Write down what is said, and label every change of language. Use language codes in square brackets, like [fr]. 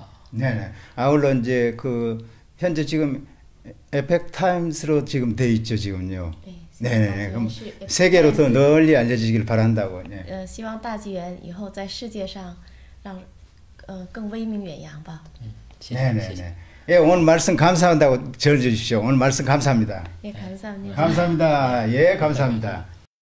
[ko] 네네. 아울러 이제 그 현재 지금 에펙 타임스로 지금 돼 있죠, 지금요. 네네. 그럼 세계로 더 널리 알려지길 바란다고. 네. [zh] 希望大纪元以后在世界上让更威名远扬吧. [ko] 네네네. 예, 오늘 말씀 감사한다고 전해 주십시오. 오늘 말씀 감사합니다. 예, 감사합니다. 감사합니다. 예, 감사합니다.